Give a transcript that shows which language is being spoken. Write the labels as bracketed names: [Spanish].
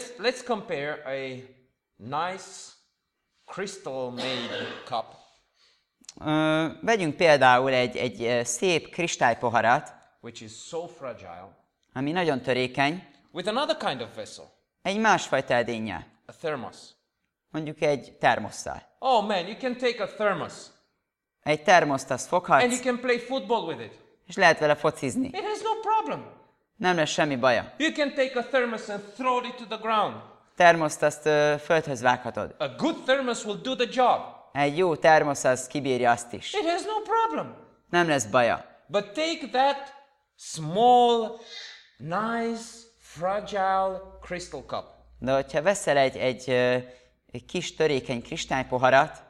[English] Let's compare a nice crystal made cup. [Hungarian] Vegyünk például egy szép kristálypoharat, [English] which is so fragile, [Hungarian] ami nagyon törékeny, [English] with another kind of vessel, [Hungarian] egy másfajta edénye, [English] a thermos, [Hungarian] mondjuk egy termosszal. [English] Oh man, you can take a thermos, [Hungarian] egy termoszt azt foghatsz, [English] and you can play football with it, [Hungarian] és lehet vele focizni. [English] It has no problem. [Hungarian] Nem lesz semmi baja. [English] You can take a thermos and throw it to the ground. [Hungarian] Termoszt azt földhöz vághatod. [English] A good thermos will do the job. [Hungarian] Egy jó termosz az kibírja azt is. [English] It has no problem. [Hungarian] Nem lesz baja. [English] But take that small, nice, fragile crystal cup. [Hungarian] De hogyha veszel egy kis törékeny kristálypoharat.